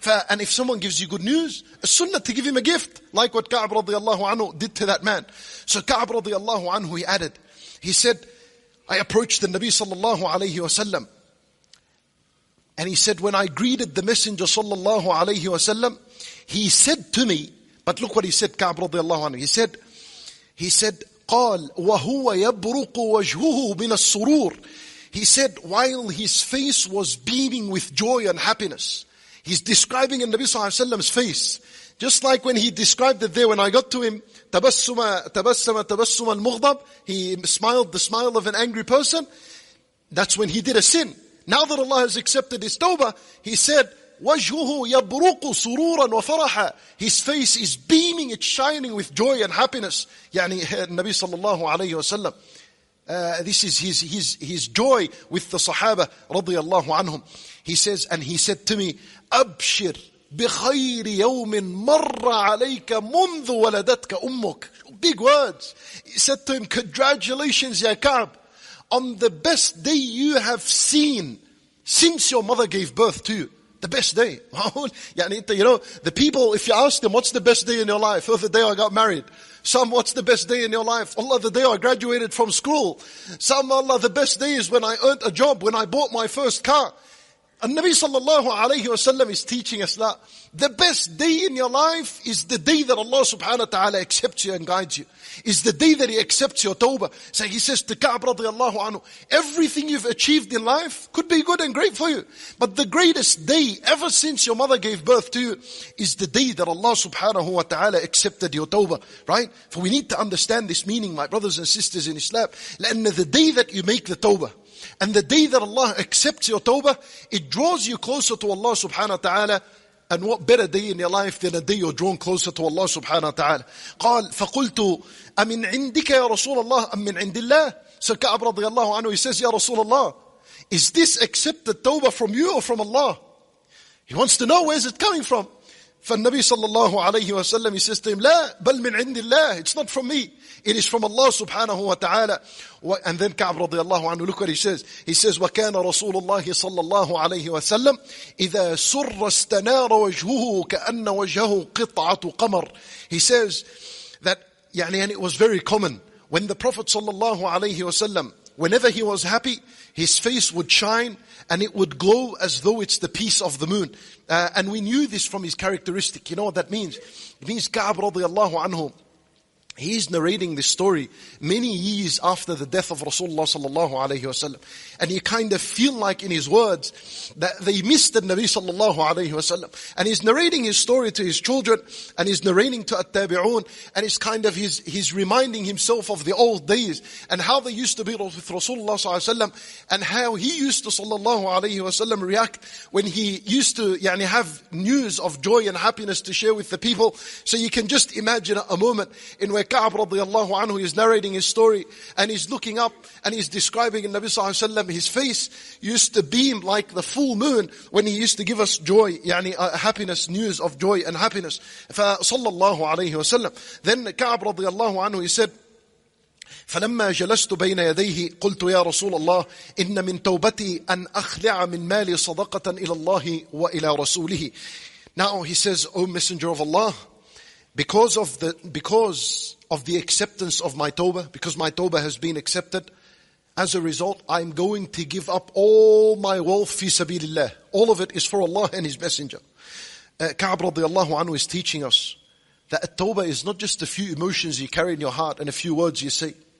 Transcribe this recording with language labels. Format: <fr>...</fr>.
<en>And if someone gives you good news, a sunnah to give him a gift, like what Ka'b radiyallahu anhu did to that man. So Ka'b radiyallahu anhu, he added, he said, I approached the Nabi sallallahu alayhi wasallam. And he said, when I greeted the messenger sallallahu alayhi wasallam, he said to me, but look what he said, Ka'b radiallahu anhu. He said,</en> <ar>قال وهو يبرق وجهه من السرور.</ar> <en>He said, while his face was beaming with joy and happiness. He's describing in Nabi sallallahu alayhi wasallam's face. Just like when he described it there, when I got to him,</en> <ar>تبسم المغضب,</ar> <en>he smiled the smile of an angry person. That's when he did a sin. Now that Allah has accepted his tawbah, he said,</en> <ar>وَجْهُهُ يَبْرُقُ سُرُورًا وَفَرَحًا.</ar> <en>His face is beaming, it's shining with joy and happiness.</en> <ar>يعني النبي صلى الله عليه وسلم.</ar> <en>This is his joy with the Sahaba رضي الله عنهم. He says, and he said to me,</en> <ar>أَبْشِرْ بِخَيْرِ يَوْمٍ مَرَّ عَلَيْكَ مُنْذُ وَلَدَتْكَ أُمُّكَ.</ar> <en>Big words. He said to him, congratulations, Ya Ka'b, on the best day you have seen since your mother gave birth to you. The best day. You know, the people, if you ask them, what's the best day in your life? Oh, the day I got married. Some, what's the best day in your life? Allah, the day I graduated from school. Some, Allah, the best day is when I earned a job, when I bought my first car. And Nabi sallallahu alayhi wasallam is teaching us that the best day in your life is the day that Allah subhanahu wa ta'ala accepts you and guides you. Is the day that he accepts your tawbah. So he says to Ka'b radiallahu anhu, everything you've achieved in life could be good and great for you. But the greatest day ever since your mother gave birth to you is the day that Allah subhanahu wa ta'ala accepted your tawbah. Right? For we need to understand this meaning, my brothers and sisters in Islam. لأنه the day that you make the tawbah, and the day that Allah accepts your tawbah, it draws you closer to Allah subhanahu wa ta'ala. And what better day in your life than a day you're drawn closer to Allah subhanahu wa ta'ala.</en> <ar>قال فقلت أمن عندك يا رسول الله أم من عند الله.</ar> <en>So Ka'b radiallahu anhu, he says, Ya Rasulullah, is this accepted tawbah from you or from Allah? He wants to know, where is it coming from?</en> <ar>فالنبي صلى الله عليه وسلم,</ar> <en>he says to him,</en> <ar>لا بل من عند الله,</ar> <en>it's not from me, it is from Allah subhanahu wa ta'ala. And then Ka'b radiallahu anhu, look what he says,</en> <ar>وكان رسول الله صلى الله عليه وسلم إذا سر استنار وجهه كأن وجهه قطعة قمر.</ar> <en>He says that يعني, and it was very common when the Prophet صلى الله عليه وسلم, whenever he was happy, his face would shine and it would glow as though it's the piece of the moon. And we knew this from his characteristic. You know what that means? It means Ka'b radiallahu anhu, He's narrating this story many years after the death of Rasulullah sallallahu alayhi wa sallam. And you kind of feel like in his words that they missed the Nabi sallallahu alayhi wa sallam. And he's narrating his story to his children, and he's narrating to At-Tabi'un, and it's kind of he's reminding himself of the old days and how they used to be with Rasulullah sallallahu alayhi wa sallam, and how he used to sallallahu alayhi wa sallam react when he used to have news of joy and happiness to share with the people. So you can just imagine a moment in where Ka'ab radiallahu anhu is narrating his story, and he's looking up and he's describing the Nabi sallallahu alayhi wa sallam. His face used to beam like the full moon when he used to give us joy, happiness, news of joy and happiness.</en> <ar>فَصَلَّى عَلَيْهِ وَسَلَّمْ.</ar> <en>Then Ka'ab radiallahu anhu, he said,</en> <ar>فَلَمَّا جَلَسْتُ بَيْنَ يَدَيْهِ قُلْتُ يَا رَسُولَ اللَّهِ إِنَّ مِنْ تَوْبَتِي أَنْ أَخْلِعَ مِنْ مَالِي صَدَقَةً إِلَى اللَّهِ وَإِلَى رَسُولِهِ.</ar> <en>Now he says, O Messenger of Allah, because of the acceptance of my tawbah, because my tawbah has been accepted, as a result, I'm going to give up all my wealth fi sabilillah. All of it is for Allah and His Messenger. Ka'ab radiallahu anhu is teaching us that a tawbah is not just a few emotions you carry in your heart and a few words you say.</en>